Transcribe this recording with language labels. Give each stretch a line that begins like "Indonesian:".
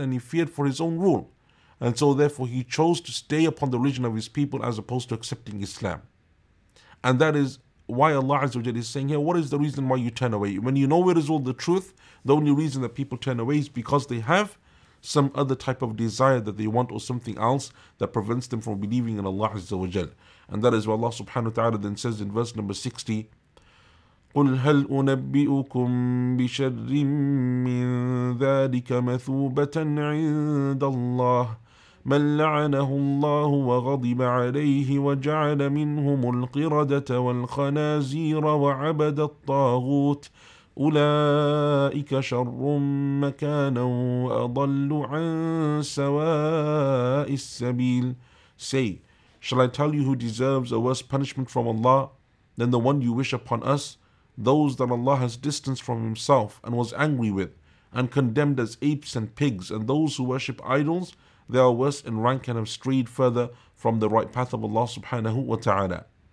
English: And he feared for his own rule. And so therefore he chose to stay upon the religion of his people as opposed to accepting Islam. And that is why Allah Azza wa Jalla is saying here, what is the reason why you turn away? When you know where is all the truth, the only reason that people turn away is because they have some other type of desire that they want or something else that prevents them from believing in Allah Azza wa Jalla. And that is why Allah subhanahu wa ta'ala then says in verse number 60,
Arabic: قُلْ هَلْ أُنَبِّئُكُمْ بِشَرٍ مِّن ذَٰلِكَ مَثُوبَةً عِنْدَ اللَّهِ مَنْ لَعَنَهُ اللَّهُ وَغَضِبَ عَلَيْهِ وَجَعَلَ مِنْهُمُ الْقِرَدَةَ وَالْخَنَازِيرَ وَعَبَدَ الطَّاغُوتَ أُولَئِكَ شَرٌّ مَكَانًا وَأَضَلُّ عَنْ سَوَاءِ السَّبِيلِ.
English: Say, shall I tell you who deserves a worse punishment from Allah than the one you wish upon us? Those that Allah has distanced from himself and was angry with and condemned as apes and pigs, and those who worship idols, they are worse in rank and have strayed further from the right path of Allah subhanahu wa ta'ala.